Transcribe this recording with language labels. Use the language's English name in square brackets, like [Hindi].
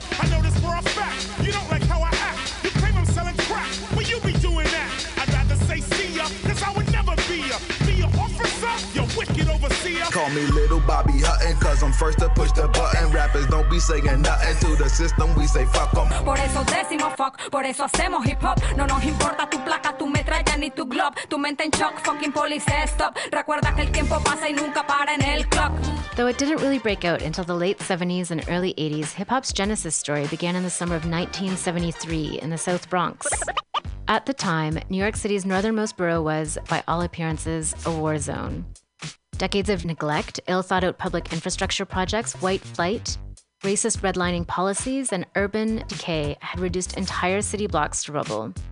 [English] I know this for a fact. You don't like how I act. You claim I'm selling crack. Will you be doing that? I'd rather say see ya, cause I would never be ya. Be your officer, your wicked overseer. Call me little Bobby Hutton, cause I'm first to push the button. Rappers don't be saying nothing to the system, we say fuck them. [Spanish] Por eso decimos fuck, por eso hacemos hip hop. No nos importa tu placa, tu metralla ni tu glob. Tu mente en shock, [English] fucking police stop. [Spanish] Recuerda que el tiempo pasa y nunca para en el clock. [English] Though it didn't really break out until the late 70s and early 80s, hip-hop's genesis story began in the summer of 1973 in the South Bronx. At the time, New York City's northernmost borough was, by all appearances, a war zone. Decades of neglect, ill-thought-out public infrastructure projects, white flight, racist redlining policies, and urban decay had reduced entire city blocks to rubble.